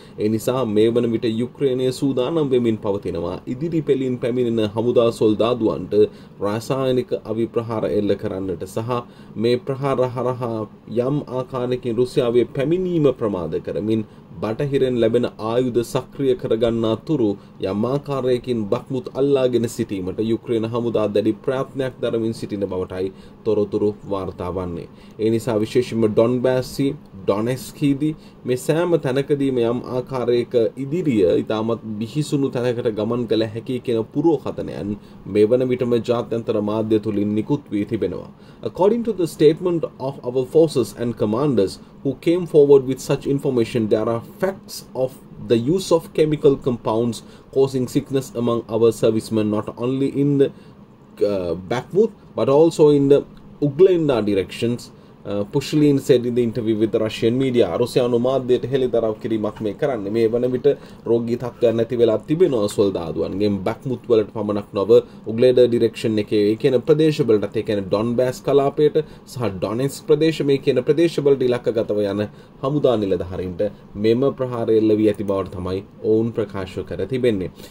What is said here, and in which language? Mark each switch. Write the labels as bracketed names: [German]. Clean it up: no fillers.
[Sinhala] ඒ නිසා මේ වන විට යුක්‍රේනය සූදානම් වෙමින් පවතිනවා ඉදිරිපෙලින් පැමිණෙන හමුදා සොල්දාදුවන්ට රසායනික අවිප්‍රහාර එල්ල කරන්නට සහ මේ ප්‍රහාර හරහා යම් ආකාරයකින් රුසියාවේ පැමිණීම ප්‍රමාද කරමින් බටහිරෙන් ලැබෙන ආයුධ සක්‍රිය කරගන්නා තුරු යම් ආකාරයකින් බක්මුත් අල්ලාගෙන සිටීමට යුක්‍රේන හමුදා දැඩි ප්‍රයත්නයක් දරමින් සිටින බවටයි තොරතුරු වාර්තා වන්නේ. ඒ නිසා විශේෂයෙන්ම ඩොන්බැස්සි ඩොනෙස්කීදී මේ සෑම තැනකදීම යම් ආකාරයක ඉදිරිය ඉතාමත් බිහිසුණු තැනකට ගමන් කළ හැකි කියන පුරෝකථනයන් මේ වන විටම ජාත්‍යන්තර මාධ්‍ය තුලින් නිකුත් වී තිබෙනවා. [English] According to the statement of our forces and commanders who came forward with such information, there are facts of the use of chemical compounds causing sickness among our servicemen, not only in the Bakhmut but also in the Uglenda directions. Pushlin said in the interview with the Russian media. [Sinhala] රුසියානු මාධ්‍යයට හෙළිදරව් කිරීමක් මේ කරන්නේ. මේ වන විට රෝගී තත්ත්වයක් නැති වෙලා තිබෙනවා සොල්දාදුවන්ගේ බක්මුත් වලට පමණක් නොව උග්ලේඩර් ඩිරෙක්ෂන් එකේ ඒ කියන ප්‍රදේශවලටත් ඒ කියන්නේ ඩොන්බැස් කලාපයට සහ ඩොනෙස් ප්‍රදේශ මේ කියන ප්‍රදේශවලට ඉලක්කගතව යන හමුදා නිලධාරීන්ට මෙම ප්‍රහාර එල්ල වී ඇති බවට තමයි ඔවුන් ප්‍රකාශ කර තිබෙන්නේ.